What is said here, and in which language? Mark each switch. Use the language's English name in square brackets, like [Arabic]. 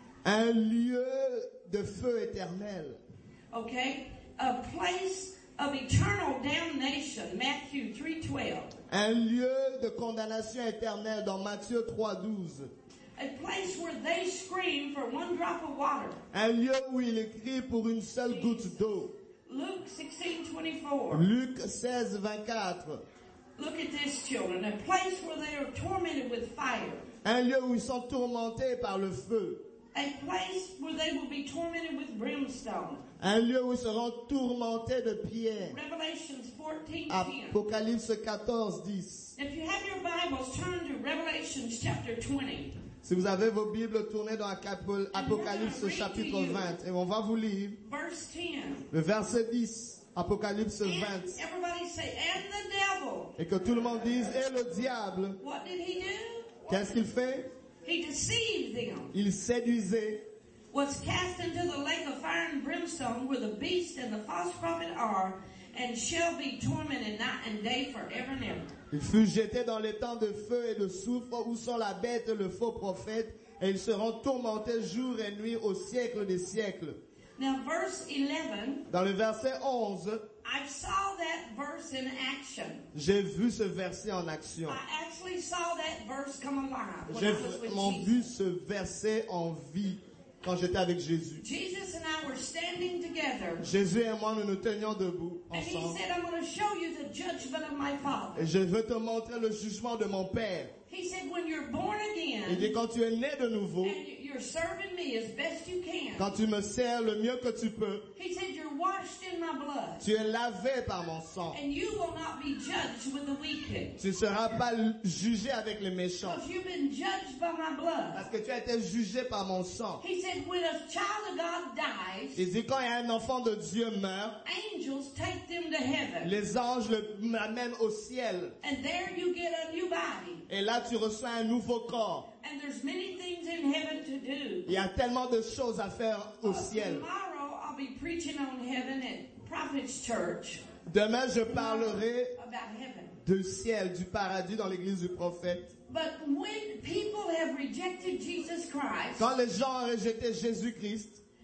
[French] Un lieu de feu éternel. [English] Okay. A place of eternal damnation. Matthew 3:12. [French] Un lieu de condamnation éternelle dans Matthieu 3:12. [English] A place where they scream for one drop of water. [French] Un lieu où ils crient pour une seule Jesus. Goutte d'eau. [English] Luke 16:24. Look at this, children. A place where they are tormented with fire. [French] Un lieu où ils sont tourmentés par le feu. [English] A place where they will be tormented with brimstone. [French] Un lieu où ils seront tourmentés de pierre. [English] Apocalypse 14:10. If you have your Bibles, turn to Revelation chapter 20. [French] Si vous avez vos Bibles, tournez dans Apocalypse chapitre 20. Et on va vous lire [English] verse 10. [French] Le verset 10, Apocalypse 20. [English] Everybody say, and the devil. [French] Et que tout le monde dise, et le diable. [English] What did he do? [French] Qu'est-ce qu'il fait? [English] He deceived them. [French] Il séduisait. [English] Was cast into the lake of fire and brimstone where the beast and the false prophet are and shall be tormented night and day forever and ever. [French] Il fut jeté dans les temps de feu et de soufre où sont la bête et le faux prophète et ils seront tourmentés jour et nuit au siècle des siècles. [English] Now verse 11. [French] Dans le verset 11. [English] I saw that verse in action. [French] J'ai vu ce verset en action. [English] I actually saw that verse come alive. [French] J'ai vraiment vu ce verset en vie. Quand j'étais avec Jésus. [English] Jesus and I were standing together. [French] Jésus et moi, nous nous tenions debout ensemble. [English] And he said, I'm going to show you the judgment of my father. [French] Et je veux te montrer le jugement de mon père. [English] He said, when you're born again. [French] Il dit, quand tu es né de nouveau. [English] And you're serving me as best you can. [French] Quand tu me sers le mieux que tu peux. [English] He said, you're washed in my blood. [French] Tu es lavé par mon sang. [English] And you will not be judged with the wicked. [French] Tu ne seras pas jugé avec les méchants. [English] Because you've been judged by my blood. [French] Parce que tu as été jugé par mon sang. [English] He said, when a child of God dies. [French] Il dit, quand un enfant de Dieu meurt. [English] Angels take them to heaven. [French] Les anges le amènent au ciel. [English] And there you get a new body. [French] Et là, tu reçois un nouveau corps. [English] And there's many things in heaven to do. [French] Il y a tellement de choses à faire au ciel. [English] Tomorrow I'll be preaching on heaven at Prophet's Church. [French] Demain je parlerai [English] about heaven. [French] Du ciel, du paradis dans l'église du prophète. [English] But when people have rejected Jesus Christ, [French] quand les gens ont rejeté Jésus-Christ,